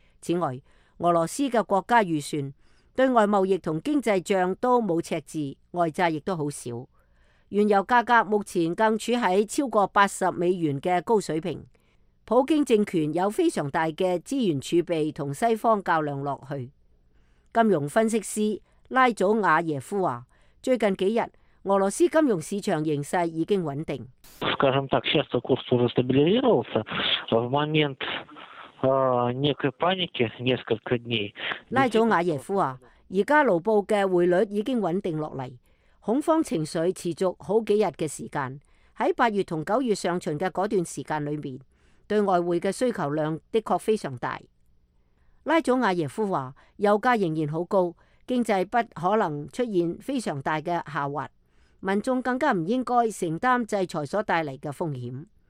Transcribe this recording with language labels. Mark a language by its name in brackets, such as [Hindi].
[Chinese] 此外，俄罗斯的国家预算对外贸易和经济账都没有赤字，外债也很少，原油价格目前更处在超过80美元的高水平。普京政权有非常大的资源储备和西方较量下去。金融分析师拉祖瓦耶夫说，最近几日俄罗斯金融市场形势已经稳定。 [Russian] скажем так, сейчас курс уже стабилизировался. В момент некой паники несколько дней. [Chinese] 拉祖瓦耶夫说，现在卢布的汇率已经稳定下来，恐慌情绪持续好几日的时间，在八月和九月上旬的那段时间里面，对外汇的需求量的确非常大。拉祖瓦耶夫说，油价仍然很高，经济不可能出现非常大的下滑，民众更加不应该承担制裁所带来的风险。